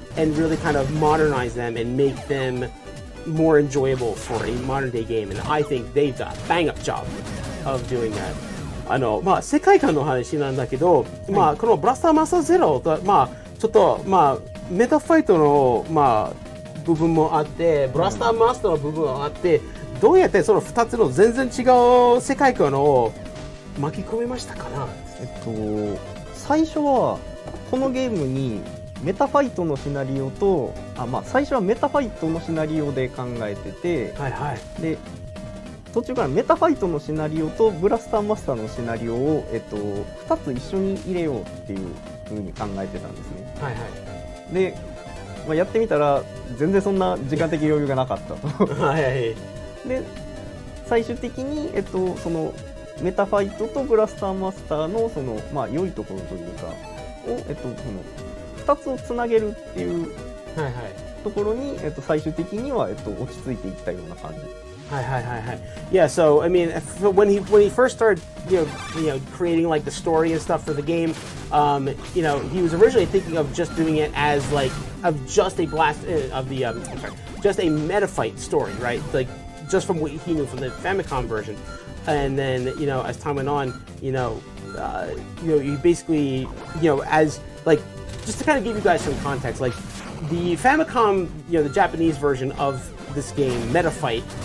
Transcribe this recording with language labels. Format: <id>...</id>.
<en>and really kind of modernize them and make them more enjoyable for a modern day game. And I think they've done a bang up job of doing that.</en> <ja>あのまあ、世界観の話なんだけど、はい、まあ、このブラスターマスターゼロと、まあ、ちょっと、まあ、メタファイトの、まあ、部分もあってブラスターマスターの部分もあって、はい、どうやってその2つの全然違う世界観を巻き込みましたかな。最初はこのゲームにメタファイトのシナリオと、あ、まあ、最初はメタファイトのシナリオで考えてて、はいはい、で途中からメタファイトのシナリオとブラスターマスターのシナリオを、2つ一緒に入れようっていう風に考えてたんですね、はいはい、で、まあ、やってみたら全然そんな時間的余裕がなかったとはい、はい、で最終的に、そのメタファイトとブラスターマスターの、その、まあ、良いところというかを、その2つをつなげるっていうところに、はいはい、最終的には、落ち着いていったような感じ。 Hi.</ja> <en>Yeah, so I mean, when he first started, you know, creating like the story and stuff for the game, you know, he was originally thinking of just doing it as like of just a blast of the just a Metafight story, right? Like just from what he knew from the Famicom version, and then you know, as time went on, you basically, you know, as like just to kind of give you guys some context, like the Famicom, you know, the Japanese version of this game, Metafight.</en>